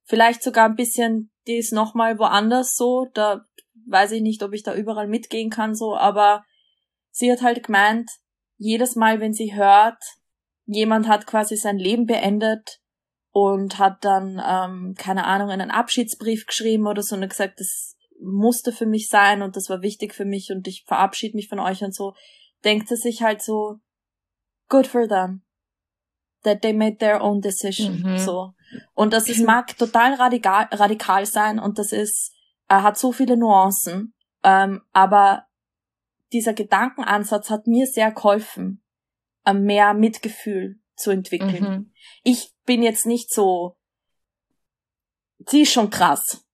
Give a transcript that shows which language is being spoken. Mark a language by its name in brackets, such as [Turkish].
[German] Vielleicht sogar ein bisschen, die ist nochmal woanders so, da weiß ich nicht, ob ich da überall mitgehen kann so, aber sie hat halt gemeint, jedes Mal, wenn sie hört, jemand hat quasi sein Leben beendet und hat dann, keine Ahnung, einen Abschiedsbrief geschrieben oder so und gesagt, das musste für mich sein und das war wichtig für mich und ich verabschiede mich von euch und so, denkt sie sich halt so, [English] good for them. That they made their own decision, so. [German] Und das ist, mag total radikal sein und das ist, hat so viele Nuancen, aber dieser Gedankenansatz hat mir sehr geholfen, mehr Mitgefühl zu entwickeln. Mhm. Ich bin jetzt nicht so, sie ist schon krass.